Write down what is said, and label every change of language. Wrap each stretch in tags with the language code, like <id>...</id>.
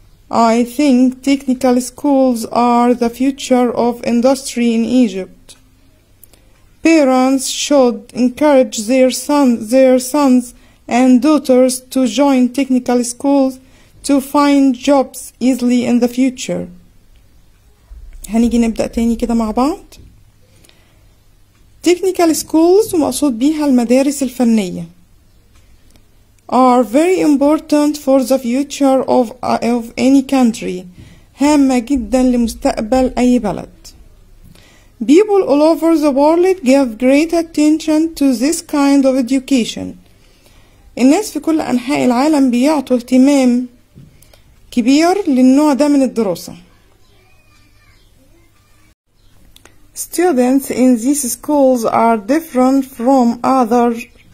<en>I think technical schools are the future of industry in Egypt. Parents should encourage their sons and daughters to join technical schools to find jobs easily in the future.</en> <ar>هنيجي نبدأ تاني كده مع بعض.</ar> <en>Technical schools</en> <ar>ومقصود بيها المدارس الفنية</ar> <en>are very important for the future of any country.</en> <ar>هامة جدا لمستقبل أي بلد.</ar> <en>People all over the world give great attention to this kind of education.</en> <ar>الناس في كل أنحاء العالم بيعطوا اهتمام كبير للنوع ده من الدراسة.</ar> <en>Students in these schools are different from others.</en>